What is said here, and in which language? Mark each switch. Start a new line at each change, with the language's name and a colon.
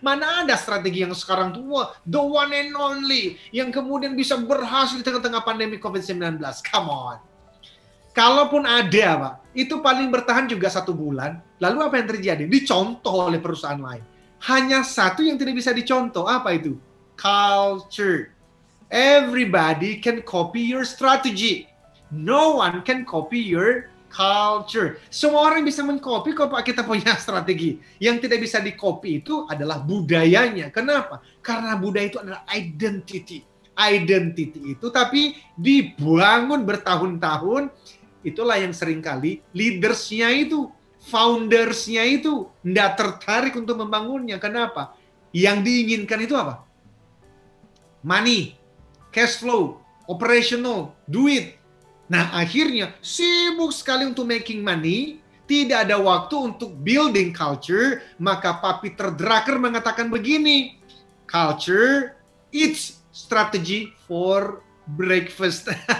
Indonesian: Mana ada strategi yang sekarang tuh, wah,
English: the one and only,
Indonesian: yang kemudian bisa berhasil di tengah-tengah pandemi COVID-19.
English: Come on.
Indonesian: Kalaupun ada, Pak, itu paling bertahan juga 1 bulan. Lalu apa yang terjadi? Dicontoh oleh perusahaan lain. Hanya satu yang tidak bisa dicontoh, apa itu?
English: Culture. Everybody can copy your strategy. No one can copy your culture.
Indonesian: Semua orang bisa mengcopy kok, Pak, kita punya strategi. Yang tidak bisa dicopy itu adalah budayanya. Kenapa? Karena budaya itu adalah identity. Identity itu tapi dibangun bertahun-tahun, itulah yang seringkali leadersnya itu, foundersnya itu tidak tertarik untuk membangunnya. Kenapa? Yang diinginkan itu apa?
English: Money, cash flow, operational,
Indonesian: duit. Nah, akhirnya sibuk sekali untuk
English: making money,
Indonesian: tidak ada waktu untuk
English: building culture.
Indonesian: Maka Pak Peter Drucker mengatakan begini,
English: culture it's strategy for breakfast.